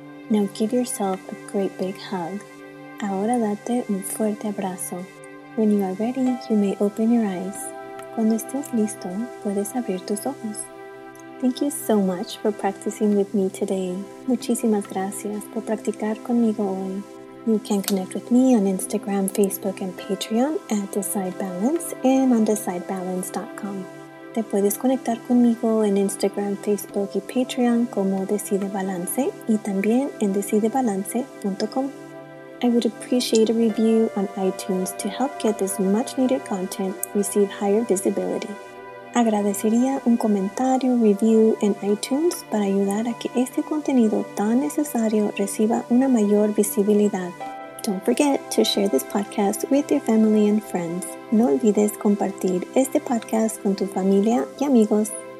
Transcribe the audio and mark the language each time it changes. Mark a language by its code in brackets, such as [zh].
[en] Now give yourself a great big hug. [es] Ahora date un fuerte abrazo. [en] When you are ready, you may open your eyes. [es] Cuando estés listo, puedes abrir tus ojos. [en] Thank you so much for practicing with me today. [es] Muchísimas gracias por practicar conmigo hoy. [en] You can connect with me on Instagram, Facebook, and Patreon at DecideBalance and on DecideBalance.com. [es] Te puedes conectar conmigo en Instagram, Facebook, y Patreon como DecideBalance y también en DecideBalance.com. [en] I would appreciate a review on iTunes to help get this much-needed content receive higher visibility. [es] Agradecería un comentario, review en iTunes para ayudar a que este contenido tan necesario reciba una mayor visibilidad. [en] Don't forget to share this podcast with your family and friends. [es] No olvides compartir este podcast con tu familia y amigos.